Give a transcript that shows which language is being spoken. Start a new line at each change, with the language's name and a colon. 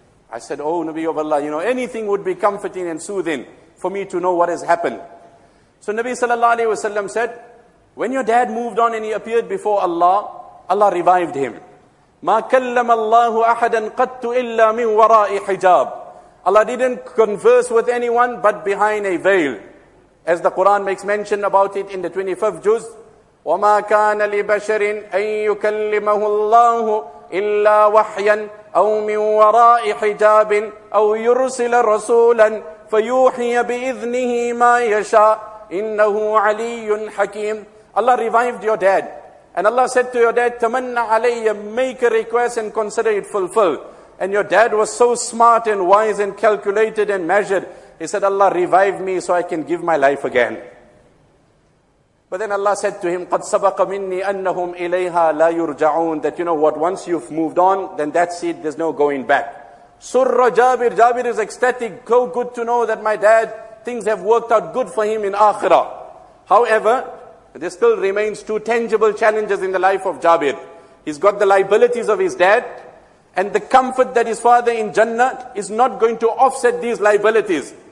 English: I said, oh, Nabi of Allah, you know, anything would be comforting and soothing for me to know what has happened. So Nabi sallallahu alayhi wa sallam said, when your dad moved on and he appeared before Allah, Allah revived him.
Arabic: مَا كَلَّمَ اللَّهُ أَحَدًا قَدْتُ إِلَّا مِنْ وَرَاءِ حِجَابٍ.
English: Allah didn't converse with anyone but behind a veil. As the Quran makes mention about it in the 25th juz,
Arabic: وَمَا كَانَ لِبَشَرٍ أَن يُكَلِّمَهُ اللَّهُ إِلَّا وَحْيًا أَوْ مِنْ وَرَاءِ حِجَابٍ أَوْ يُرْسِلَ رَسُولًا فَيُوحِيَ بِإِذْنِهِ مَا يَشَاءُ إِنَّهُ عَلِيٌّ حَكِيمٌ.
English: Allah revived your dad. And Allah said to your dad,
Arabic: تَمَنَّ عَلَيَّ,
English: make a request and consider it fulfilled. And your dad was so smart and wise and calculated and measured. He said, Allah, revive me so I can give my life again. But then Allah said to him,
Arabic: قَدْ سَبَقَ مِنِّي أَنَّهُمْ إِلَيْهَا لَا يُرْجَعُونَ.
English: That you know what, once you've moved on, then that's it, there's no going back. سُرَّ Jabir. Jabir is ecstatic, so good to know that my dad, things have worked out good for him in Akhirah. However, there still remains two tangible challenges in the life of Jabir. He's got the liabilities of his dad, and the comfort that his father in Jannah is not going to offset these liabilities.